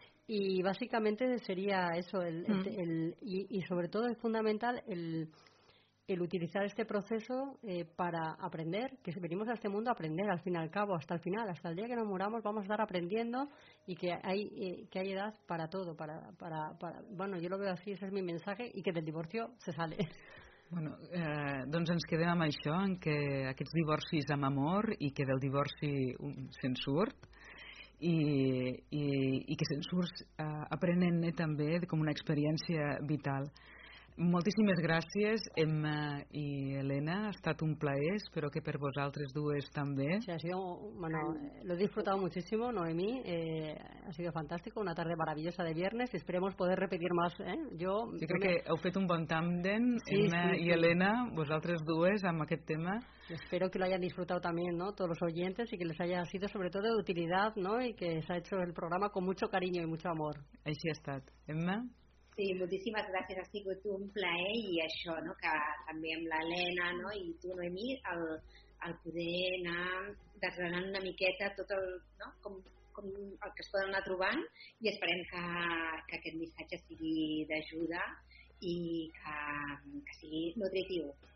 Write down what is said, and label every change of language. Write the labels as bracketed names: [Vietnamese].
[Spanish] Y básicamente sería eso, y sobre todo es fundamental el utilizar este proceso para aprender, que venimos a este mundo a aprender, al fin y al cabo, hasta el final, hasta el día que nos muramos, vamos a estar aprendiendo, y que hay edad para todo, para bueno, yo lo veo así, ese es mi mensaje, y que del divorcio se sale. [Catalan] Bueno, doncs ens quedem amb això, en que aquests divorcis amb amor, i que del divorci se'n surt, i que se'n surt aprenent-ne també com una experiència vital. Moltíssimes gràcies, Emma i Elena. Ha estat un plaer, espero que per vosaltres dues també. [Spanish] Sí, ha sido, bueno, lo he disfrutado muchísimo, Noemí. Ha sido fantástico, una tarde maravillosa de viernes. Esperemos poder repetir más. [Catalan] Jo crec que heu fet un bon tàndem, sí, Emma, sí, sí, i Elena, vosaltres dues, amb aquest tema. [Spanish] Espero que lo hayan disfrutado también, ¿no?, todos los oyentes, y que les haya sido sobre todo de utilidad, ¿no?, y que se ha hecho el programa con mucho cariño y mucho amor. [Catalan] Així ha estat. Emma? Sí, moltíssimes gràcies, ha sigut un plaer, i això, no?, que també amb l'Helena, no?, i tu, Noemí, el poder anar desgranant una miqueta tot el, no?, com el que es poden anar trobant, i esperem que aquest missatge sigui d'ajuda i que sigui nutritiu.